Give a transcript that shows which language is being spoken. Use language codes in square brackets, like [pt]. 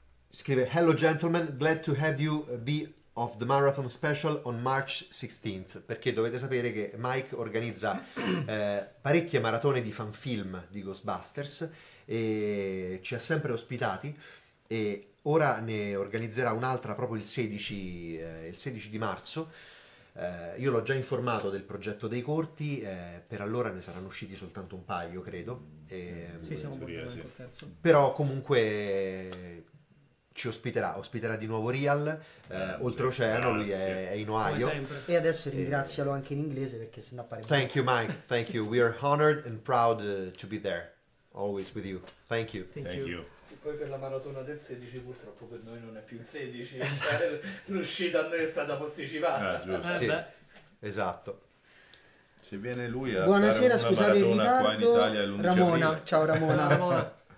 [it] Scrive: [en] hello gentlemen, glad to have you be of the marathon special on March 16th. [it] Perché dovete sapere che Mike organizza parecchie maratone di fan film di Ghostbusters e ci ha sempre ospitati e ora ne organizzerà un'altra proprio il 16 di marzo. Io l'ho già informato del progetto dei corti, per allora ne saranno usciti soltanto un paio, credo. Siamo molto col terzo. Però comunque... ci ospiterà di nuovo Real, oltre oceano, lui è in Ohio. E adesso ringrazialo anche in inglese perché sennò pare... [en] Thank you Mike, thank you, we are honored and proud to be there, always with you, thank you. [it] Se poi per la maratona del 16 purtroppo per noi non è più il 16, l'uscita a noi è stata posticipata. Ah giusto. Sì, esatto. Se viene lui a buonasera, scusate il ritardo, Ramona, ciao Ramona.